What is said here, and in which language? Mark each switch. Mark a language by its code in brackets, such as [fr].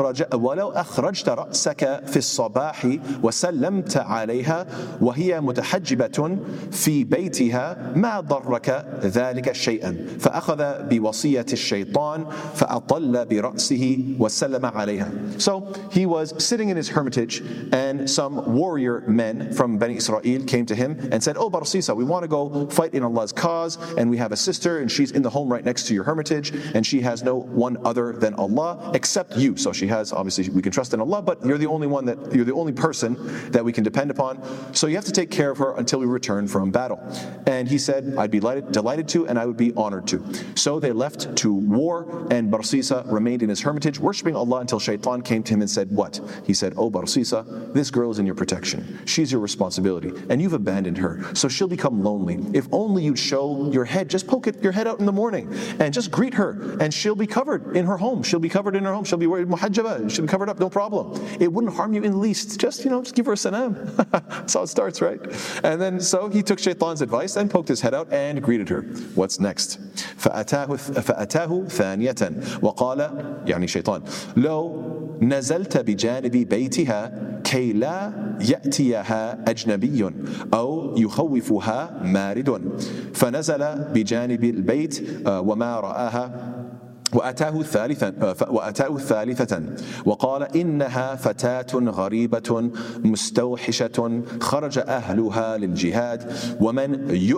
[ar] ولو أخرجت رأسك في الصباح وسلمت عليها وهي متحجبة في بيتها ما ضرك ذلك شيئا فأخذ بوصية الشيطان فَأَطَلَّ بِرَأْسِهِ وَسَلَّمَ عَلَيْهَا. [en] So he was sitting in his hermitage and some warrior men from Bani Israel came to him and said, oh Barsisa, we want to go fight in Allah's cause and we have a sister and she's in the home right next to your hermitage and she has no one other than Allah except you. So she has, obviously we can trust in Allah, but you're the only person that we can depend upon. So you have to take care of her until we return from battle. And he said, I'd be delighted to and I would be honored to. So they left to war and Barsisa remained in his hermitage, worshipping Allah until Shaitan came to him and said, what? He said, oh Barsisa, this girl is in your protection. She's your responsibility. And you've abandoned her. So she'll become lonely. If only you'd show your head, just poke it, your head out in the morning and just greet her. And she'll be covered in her home. She'll be covered in her home. She'll be wearing muhajjaba. She'll be covered up, no problem. It wouldn't harm you in the least. Just, you know, just give her a salam. That's how it starts, right? And then, so he took Shaitan's advice and poked his head out and greeted her. What's next? [ar] فَأَتَاهُ ثَانِيَةً وقال يعني شيطان لو نزلت بجانب بيتها كي لا يأتيها أجنبي أو يخوفها مارد فنزل بجانب البيت وما رآها وأتاه الثالثة وقال إنها فتاة غريبة مستوحشة خرج أهلها للجهاد ومن